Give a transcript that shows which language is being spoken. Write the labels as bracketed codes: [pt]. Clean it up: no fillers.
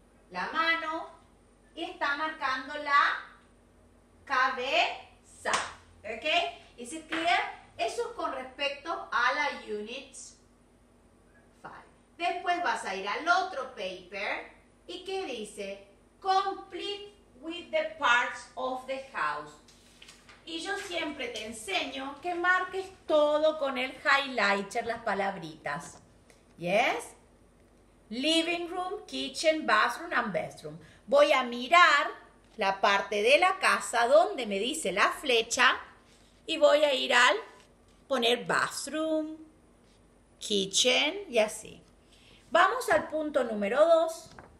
[es] La mano, y está marcando la cabeza. ¿Ok? [en] Is it clear? [es] Eso es con respecto a la unit 5. Después vas a ir al otro paper. ¿Y qué dice? [en] Complete with the parts of the house. [es] Y yo siempre te enseño que marques todo con el highlighter, las palabritas. [en] ¿Yes? Living room, kitchen, bathroom and bedroom. [es] Voy a mirar la parte de la casa donde me dice la flecha y voy a ir al poner bathroom, kitchen y así. Vamos al punto número 2.